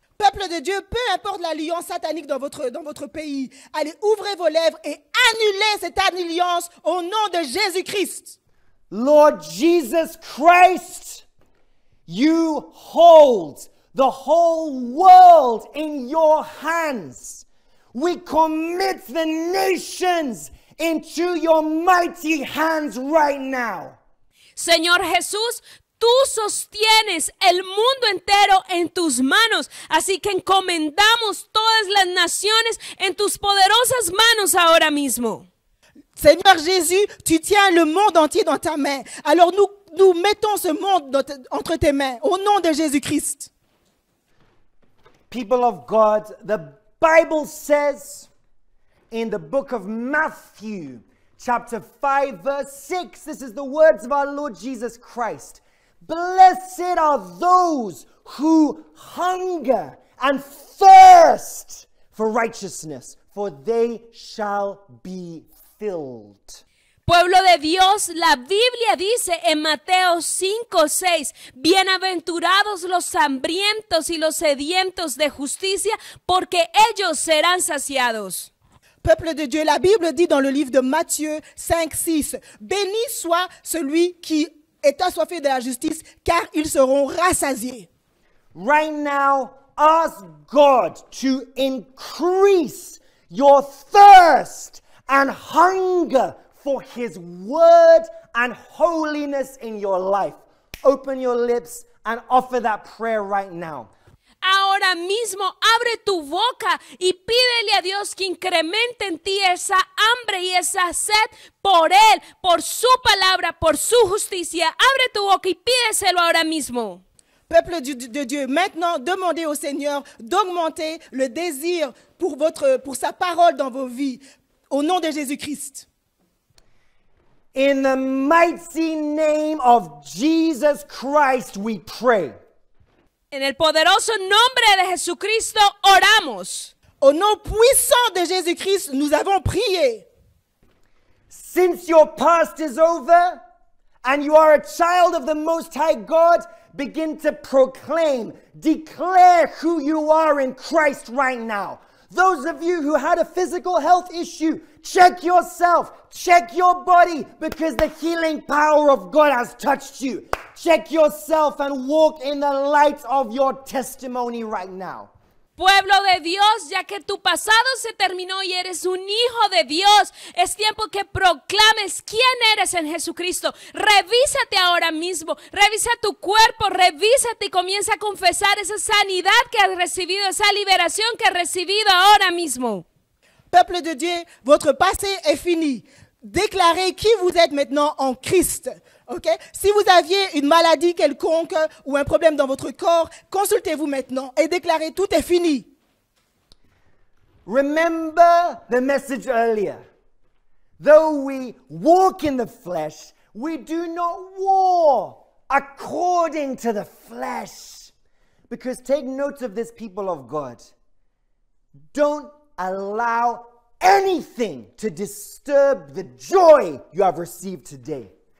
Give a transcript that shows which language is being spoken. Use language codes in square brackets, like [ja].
[fr] Peuple de Dieu, peu importe l'alliance satanique dans votre pays, allez ouvrez vos lèvres et annulez cette alliance au nom de Jésus-Christ. [en] Lord Jesus Christ, you hold the whole world in your hands. We commit the nations into your mighty hands right now. [es] Señor Jesús, tú sostienes el mundo entero en tus manos, así que encomendamos todas las naciones en tus poderosas manos ahora mismo. Señor Jesús, tú tienes el mundo entier en tu mano, [fr] alors nous mettons ce monde entre tes mains, au nom de Jésus-Christ. [en] People of God, the Bible says in the book of Matthew, chapter 5, verse 6, this is the words of our Lord Jesus Christ. Blessed are those who hunger and thirst for righteousness, for they shall be filled. [es] Pueblo de Dios, la Biblia dice en Mateo 5:6, bienaventurados los hambrientos y los sedientos de justicia, porque ellos serán saciados. [fr] Peuple de Dieu, la Bible dit dans le livre de Matthieu 5:6, béni soit celui qui est assoiffé de la justice, car ils seront rassasiés. [en] Right now, ask God to increase your thirst and hunger for his word and holiness in your life. Open your lips and offer that prayer right now. [es] Ahora mismo abre tu boca y pídele a Dios que incremente en ti esa hambre y esa sed por él, por su palabra, por su justicia. Abre tu boca y pídeselo ahora mismo. [fr] Peuple de Dieu, maintenant demandez au Seigneur d'augmenter le désir pour sa parole dans vos vies au nom de Jésus-Christ. [en] In the mighty name of Jesus Christ, we pray. [es] En el poderoso nombre de Jesucristo, oramos. [fr] Au nom puissant de Jésus-Christ, nous avons prié. [en] Since your past is over and you are a child of the Most High God, begin to proclaim, declare who you are in Christ right now. Those of you who had a physical health issue, check yourself, check your body, because the healing power of God has touched you. Check yourself and walk in the light of your testimony right now. [es] Pueblo de Dios, ya que tu pasado se terminó y eres un hijo de Dios, es tiempo que proclames quién eres en Jesucristo. Revísate ahora mismo, revisa tu cuerpo, revísate y comienza a confesar esa sanidad que has recibido, esa liberación que has recibido ahora mismo. [fr] Peuple de Dieu, votre passé est fini. Déclarez qui vous êtes maintenant en Christ. Okay? Si vous aviez une maladie quelconque ou un problème dans votre corps, consultez-vous maintenant et déclarez tout est fini. [en] Remember the message earlier. Though we walk in the flesh, we do not war according to the flesh. Because take note of this, people of God. Don't allow anything to disturb the joy you have received today.